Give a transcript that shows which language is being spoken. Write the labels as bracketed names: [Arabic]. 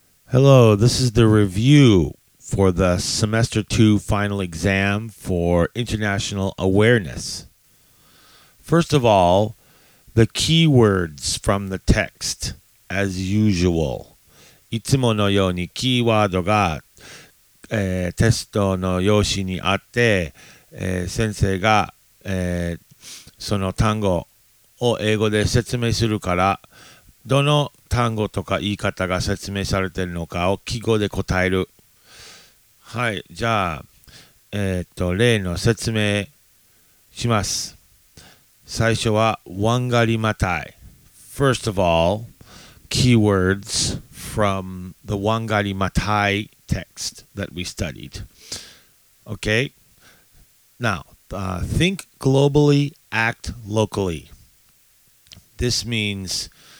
[English] Hello, this is the review for the semester two final exam for international awareness. First of all, the keywords from the text, as usual. [Japanese] いつものようにキーワードが、テストの用紙にあって、先生が、その単語を英語で説明するから、どの単語とか言い方が説明されているのかを記号で答える。はい、じゃあ、例の説明します。最初は、ワンガリマタイ。 [English] First of all, keywords from the ワンガリマタイ text that we studied. Okay? Now, think globally, act locally. This means...